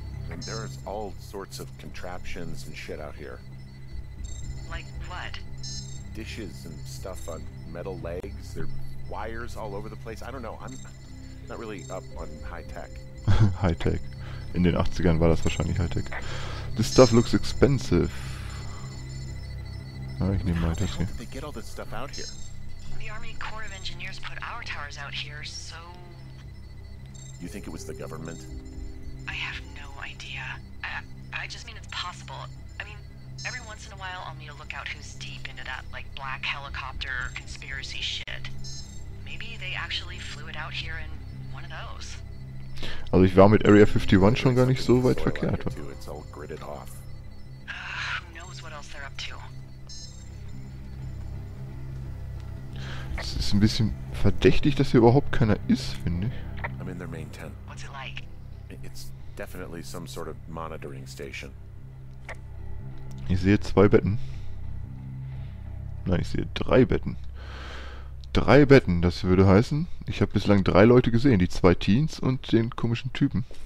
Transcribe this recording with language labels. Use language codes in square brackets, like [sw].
[en] And there is all sorts of contraptions and shit out here. Like what? Dishes and stuff on metal legs, there are wires all over the place. I don't know. I'm not really up on high tech. High tech. [de] In den 80ern war das wahrscheinlich High Tech. [en] This stuff looks expensive. [de] Ich nehme mal das hier. [en] The Army Corps of Engineers put our towers out here, so. You think it was the government? I have no idea. I just mean it's possible. I mean, every once in a while I'll meet a lookout who's deep into that, like, black helicopter conspiracy shit. Maybe they actually flew it out here in one of those. [de] Also ich war mit Area 51 schon gar nicht so weit verkehrt. [en] It's all gridded off. Who knows what else they're up to? [de] Es ist ein bisschen verdächtig, dass hier überhaupt keiner ist, finde ich. [en] I'm in their main tent. What's it like? It's definitely some sort of monitoring station. [de] Ich sehe zwei Betten. Nein, ich sehe drei Betten. Drei Betten, das würde heißen, ich habe bislang drei Leute gesehen, die zwei Teens und den komischen Typen.